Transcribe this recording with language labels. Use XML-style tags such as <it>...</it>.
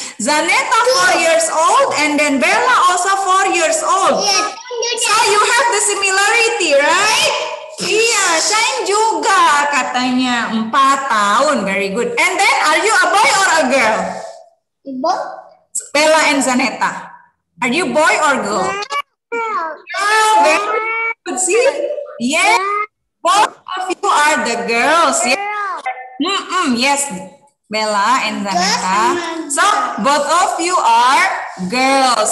<en>Zaneta 4 years old, and then Bella also 4 years old. Yes. So you have the similarity, right?</en> <id>Iya, Shine juga katanya 4 tahun.</id> <en>Very good. And then, are you a boy or a girl? Both. Bella and Zaneta, are you boy or girl? Girl. Oh, very good. See? Yes. Both of you are the girls. Girl. Yes, Bella and Zaneta. So, both of you are girls.</en>